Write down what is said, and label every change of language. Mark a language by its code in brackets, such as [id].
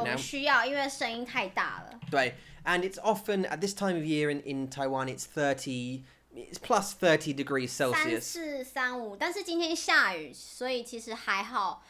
[zh] 对，我们需要，因为声音太大了。对, [en] and it's often at this time of year in Taiwan, it's 30, it's plus 30 degrees Celsius. [zh] 三四三五，但是今天下雨，所以其实还好.